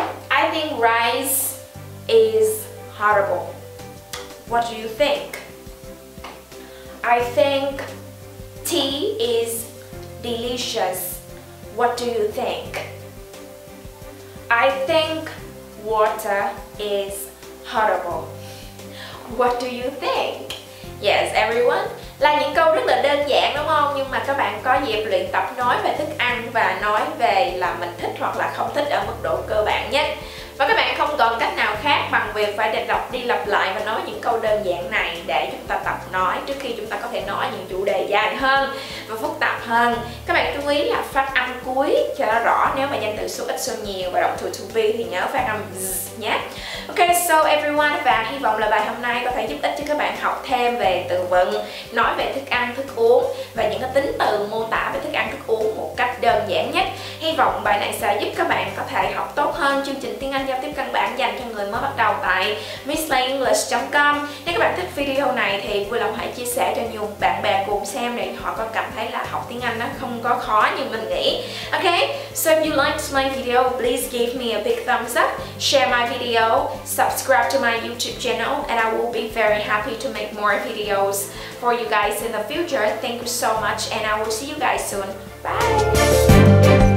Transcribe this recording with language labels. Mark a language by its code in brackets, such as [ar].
[en] I think rice is horrible. What do you think? I think tea is delicious. What do you think? I think water is horrible. What do you think? Yes, everyone. [vi] Là những câu rất là đơn giản đúng không? Nhưng mà các bạn có dịp luyện tập nói về thức ăn và nói về là mình thích hoặc là không thích ở mức độ cơ bản nhất. Và các bạn không còn cách nào khác bằng việc phải đọc đi lặp lại và nói những câu đơn giản này để chúng ta tập nói trước khi chúng ta có thể nói những chủ đề dài hơn. và phức tạp hơn. Các bạn chú ý là phát âm cuối cho nó rõ, nếu mà danh từ số ít số nhiều và động từ to be thì nhớ phát âm z nhé. [en] Ok, so everyone, [vi] và hy vọng là bài hôm nay có thể giúp ích cho các bạn học thêm về từ vựng, nói về thức ăn, thức uống và những cái tính từ mô tả về thức ăn, thức uống một cách đơn giản nhất. Hy vọng bài này sẽ giúp các bạn có thể học tốt hơn chương trình tiếng Anh giao tiếp căn bản dành cho người mới bắt đầu tại misslyenglish.com. Nếu các bạn thích video này thì vui lòng hãy chia sẻ cho nhiều bạn bè cùng xem để họ có cảm thấy là học tiếng Anh nó không có khó như mình nghĩ. [en] Ok, so if you liked my video, please give me a big thumbs up, share my video, subscribe to my YouTube channel, and I will be very happy to make more videos for you guys in the future. Thank you so much, and I will see you guys soon. Bye!